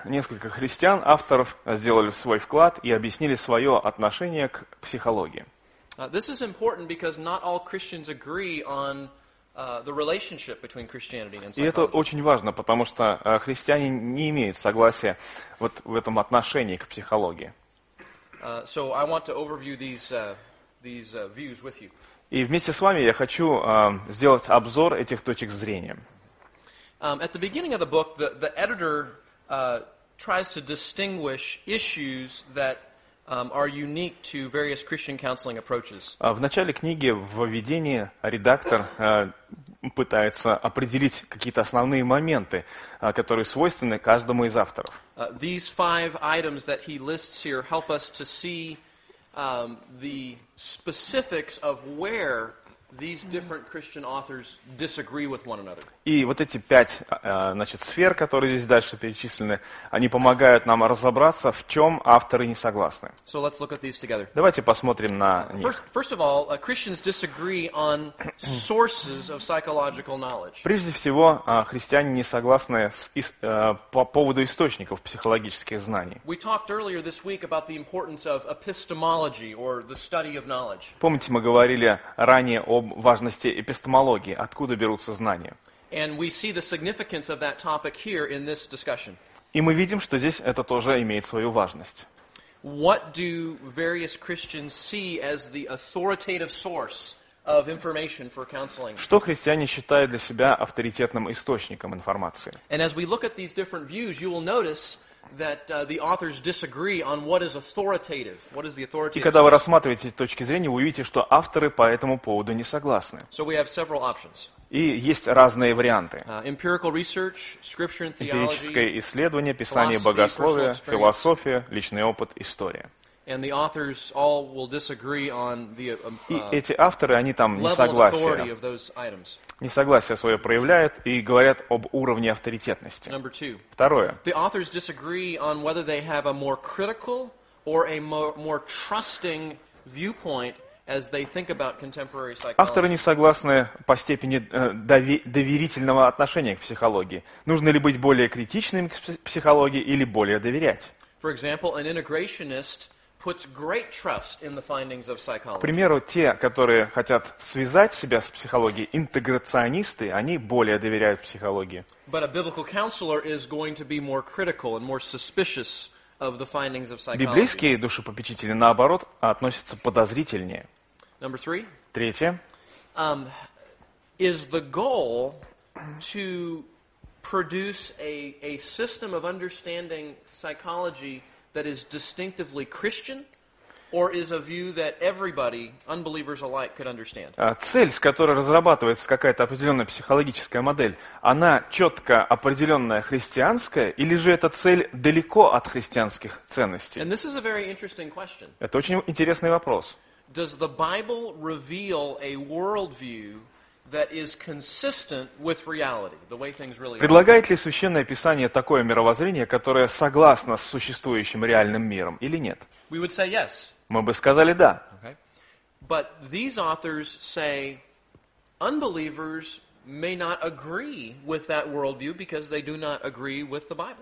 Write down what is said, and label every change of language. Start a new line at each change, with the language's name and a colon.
Russian: Несколько христиан, авторов, сделали свой вклад и объяснили свое отношение к психологии.
English: This is important because not all Christians agree on the relationship between Christianity and psychology.
Russian: И это очень важно, потому что христиане не имеют согласия вот в этом отношении к психологии.
English: So I want to overview these views with you.
Russian: И вместе с вами я хочу сделать обзор этих точек зрения.
English: At the beginning of the book, the editor tries to distinguish issues that are unique to various Christian counseling approaches.
Russian: В начале книги, в введении, редактор пытается определить какие-то основные моменты, которые свойственны каждому из авторов.
English: These five items that he lists here help us to see the specifics of where these different Christian authors disagree with one another.
Russian: И вот эти пять, значит, сфер, которые здесь дальше перечислены, они помогают нам разобраться, в чем авторы не согласны.
English: So let's look at these together.
Russian: Давайте посмотрим на них.
English: First of all, Christians disagree on sources of psychological knowledge.
Russian: Прежде всего, христиане не согласны по поводу источников психологических знаний.
English: We talked earlier this week about the importance of epistemology, or the study of knowledge.
Russian: Помните, мы говорили ранее об важности эпистемологии, откуда берутся знания.
English: And we see the significance of that topic here in this discussion.
Russian: И мы видим, что здесь это тоже имеет свою важность.
English: What do various Christians see as the authoritative source of information for counseling?
Russian: Что христиане считают для себя авторитетным источником информации?
English: And as we look at these different views, you will notice that the authors disagree on what is authoritative. What is the authoritative?
Russian: И когда вы рассматриваете эти точки зрения, вы увидите, что авторы по этому поводу не согласны.
English: So we have several options.
Russian: И есть разные варианты.
English: Empirical research, scripture and theology.
Russian: Эмпирическое исследование, писание, богословие, философия, личный опыт, история.
English: And the authors all will disagree on the
Russian: И эти авторы, они там несогласие свое проявляют и говорят об уровне авторитетности.
English: Number two.
Russian: Второе.
English: The authors disagree on whether they have a more critical or a more trusting viewpoint as they think about contemporary psychology.
Russian: Авторы не согласны по степени доверительного отношения к психологии. Нужно ли быть более критичным к психологии или более доверять?
English: For example, an integrationist puts great trust in the findings of psychology.
Russian: К примеру, те, которые хотят связать себя с психологией, интеграционисты, они более доверяют психологии.
English: But a biblical counselor is going to be more critical and more suspicious of the findings of psychology.
Russian: Библейские душепопечители, наоборот, относятся подозрительнее.
English: Number three.
Russian: Третье.
English: Is the goal to produce a system of understanding psychology that is distinctively Christian, or is a view that everybody, unbelievers alike, could understand?
Russian: Цель, с которой разрабатывается какая-то определенная психологическая модель, она четко определенная христианская, или же эта цель далеко от христианских ценностей?
English: And this is a very interesting question.
Russian: Это очень интересный вопрос.
English: Does the Bible reveal a worldview that is consistent with reality, the way things really are?
Russian: Предлагает ли Священное Писание такое мировоззрение, которое согласно с существующим реальным миром, или нет?
English: We would say yes.
Russian: Мы бы сказали да.
English: Okay. But these authors say unbelievers may not agree with that worldview because they do not agree with the Bible.